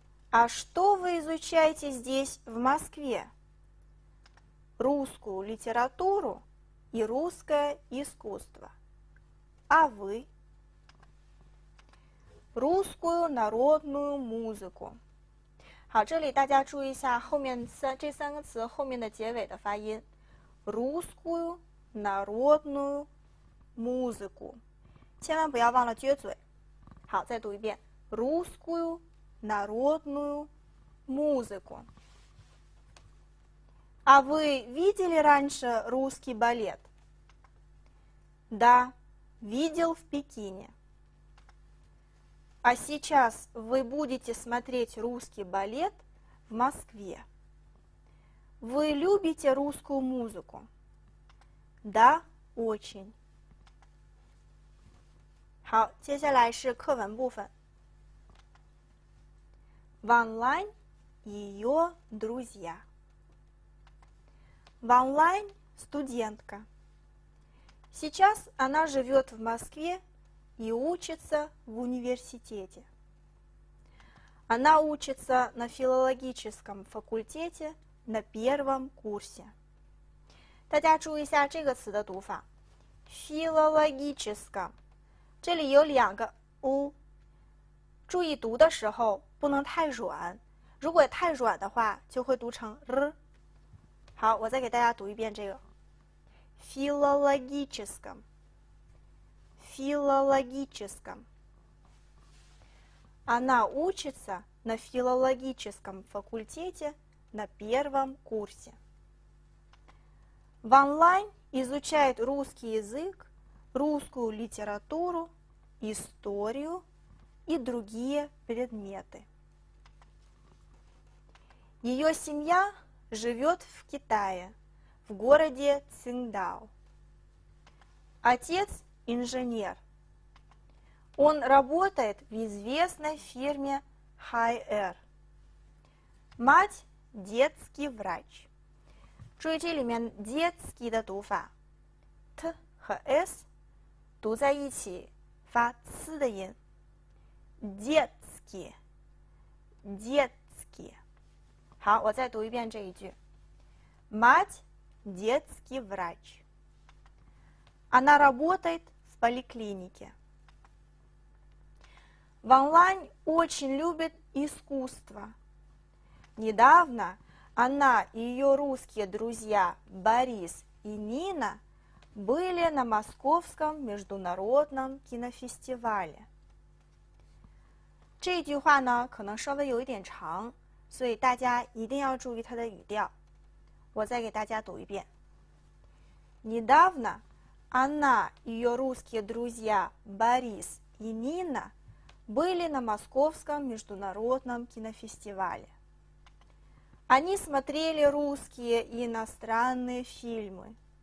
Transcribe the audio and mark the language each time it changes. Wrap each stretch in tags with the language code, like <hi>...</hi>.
<ru>А что вы изучаете здесь, в Москве? Русскую литературу и русское искусство. А вы? Русскую народную музыку.</ru> <zh>好，这里大家注意一下后面这三个词后面的结尾的发音。</zh> <ru>Русскую народную музыку，</ru> <zh>千万不要忘了撅嘴。好，再读一遍，</zh> <ru>Русскую народную музыку。 А вы видели раньше русский балет? Да, видел в Пекине. А сейчас вы будете смотреть русский балет в Москве. Вы любите русскую музыку? Да, очень.</ru> <zh>好，接下来是课文部分。</zh> <ru>Ван Лайн и ее друзья. Ван Лайн студентка. Сейчас она живет в Москве и учится в университете. Она учится на филологическом факультете на первом курсе.</ru> <zh>大家注意一下这个词的读法，philologическом，这里有两个 u，注意读的时候不能太软，如果太软的话就会读成 r。好，我再给大家读一遍这个 philologическом，philologическом。</zh> <ru>Она учится на филологическом факультете на первом курсе。Ван Лайн изучает русский язык, русскую литературу, историю и другие предметы. Ее семья живет в Китае, в городе Циндао. Отец инженер. Он работает в известной фирме Хай-Эр. Мать детский врач.</ru> <zh>注意这里面 детский 的读法 т 和 с 读在一起发 ц 的音 детский детский. 好，我再读一遍这一句.</zh> <ru>Мать детский врач. Она работает в поликлинике. Ван Лань очень любит искусство. Недавно она и ее русские друзья Борис и Нина были на Московском международном кинофестивале.</ru> <zh>这一句话呢，可能稍微有一点长，所以大家一定要注意它的语调。我再给大家读一遍。</zh> <ru>Недавно она и ее русские друзья Борис и Нина были на Московском международном кинофестивале. Они смотрели русские и иностранные фильмы.</ru>